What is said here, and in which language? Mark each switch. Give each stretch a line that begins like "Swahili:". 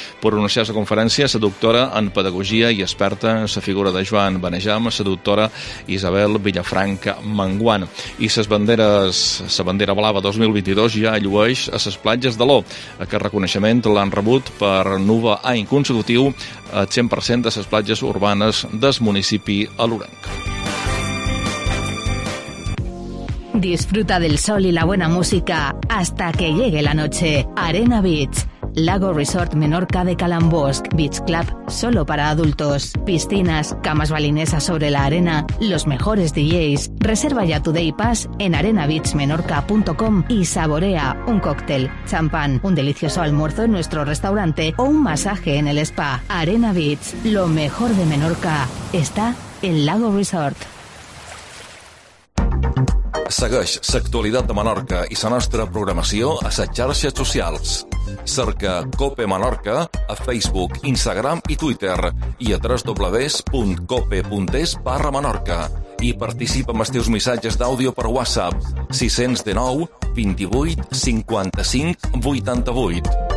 Catalan: Per anunciar la conferència, la doctora en pedagogia i experta, la figura de Joan Benejam, la doctora Isabel Villafranca Manguant. I les banderes, la bandera blava 2022 ja llueix a les platges de l'O. Aquest reconeixement l'han rebut per nova any consecutiu a 100% de les platges urbanes del municipi alorenc.
Spanish: Disfruta del sol y la buena música hasta que llegue la noche. Arena Beach, Lago Resort Menorca de Calambosc, Beach Club solo para adultos, piscinas, camas balinesas sobre la arena, los mejores DJs. Reserva ya tu day pass en arenabeachmenorca.com y saborea un cóctel, champán, un delicioso almuerzo en nuestro restaurante o un masaje en el spa. Arena Beach, lo mejor de Menorca, está en Lago Resort.
Catalan: Segueix l'actualitat de Menorca i la nostra programació a les xarxes socials. Cerca Cope Menorca a Facebook, Instagram i Twitter i a www.cope.es/Menorca i participa amb els teus missatges d'àudio per WhatsApp 609 28 55 88.